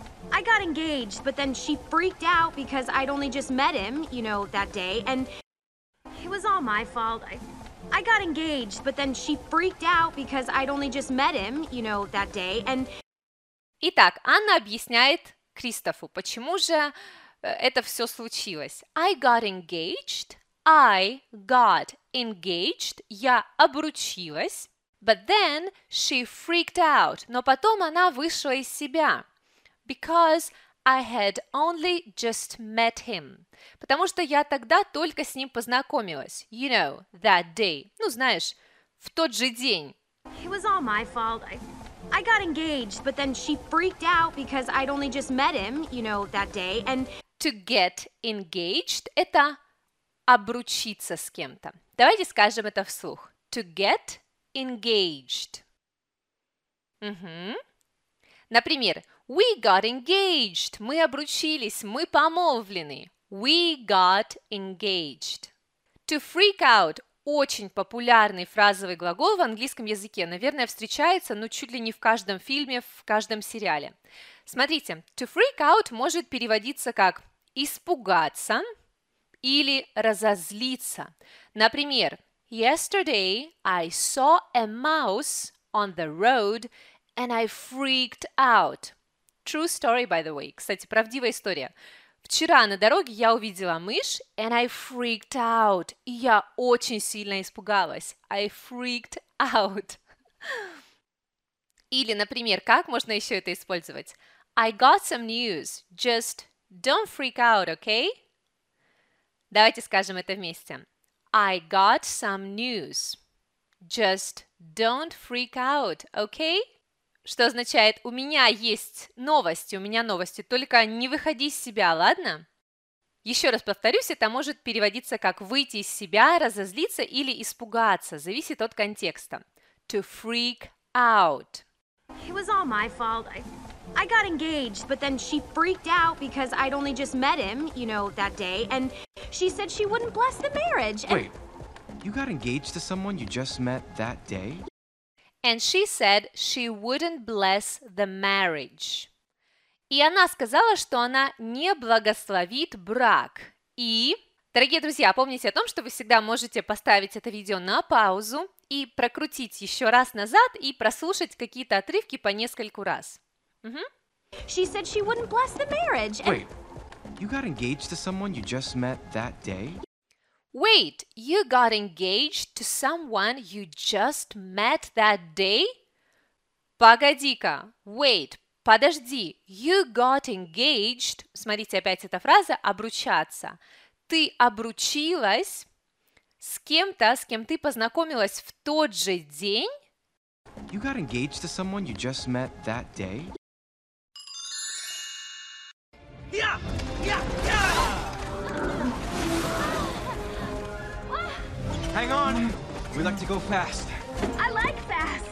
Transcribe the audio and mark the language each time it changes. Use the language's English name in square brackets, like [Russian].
[English] I got engaged, but then she freaked out because I'd only just met him, you know, that day, and... It was all my fault. I got engaged, but then she freaked out because I'd only just met him, you know, that day, and... [Russian] Итак, Анна объясняет Кристофу, почему же это все случилось. [English] I got engaged, [Russian] я обручилась, [English] but then she freaked out, [Russian] но потом она вышла из себя, [English] because I had only just met him. [Russian] Потому что я тогда только с ним познакомилась. [English] You know, that day. [Russian] Ну, знаешь, в тот же день. [English] It was all my fault. I got engaged, but then she freaked out because I'd only just met him, you know, that day. And to get engaged [Russian] – это обручиться с кем-то. Давайте скажем это вслух. [English] To get engaged. [Russian] Например, [English] we got engaged. [Russian] Мы обручились, мы помолвлены. [English] We got engaged. To freak out [Russian] – очень популярный фразовый глагол в английском языке. Наверное, встречается, но чуть ли не в каждом фильме, в каждом сериале. Смотрите, [English] to freak out [Russian] может переводиться как «испугаться» или «разозлиться». Например, [English] «Yesterday I saw a mouse on the road and I freaked out». True story, by the way. [Russian] Кстати, правдивая история. Вчера на дороге я увидела мышь, [English] and I freaked out. [Russian] И я очень сильно испугалась. [English] I freaked out. [Russian] Или, например, как можно еще это использовать? [English] I got some news. Just don't freak out, okay? [Russian] Давайте скажем это вместе. [English] I got some news. Just don't freak out, okay? [Russian] Что означает «у меня есть новости», «у меня новости», только не выходи из себя, ладно? Еще раз повторюсь, это может переводиться как «выйти из себя», «разозлиться» или «испугаться», зависит от контекста. [English] To freak out. It was all my fault. I got engaged, but then she freaked out because I'd only just met him, you know, that day, and she said she wouldn't bless the marriage. Wait, you got engaged to someone you just met that day? And she said she wouldn't bless the marriage. [Russian] И она сказала, что она не благословит брак. И, дорогие друзья, помните о том, что вы всегда можете поставить это видео на паузу и прокрутить еще раз назад и прослушать какие-то отрывки по нескольку раз. Угу. [English] She said she wouldn't bless the marriage. And... Wait, you got engaged to someone you just met that day? Wait, you got engaged to someone you just met that day? [Russian] Погоди-ка, wait, подожди, [English] you got engaged, [Russian] смотрите опять эта фраза, обручаться. Ты обручилась с кем-то, с кем ты познакомилась в тот же день? [English] You got engaged to someone you just met that day? Hang on. We like to go fast. I like fast.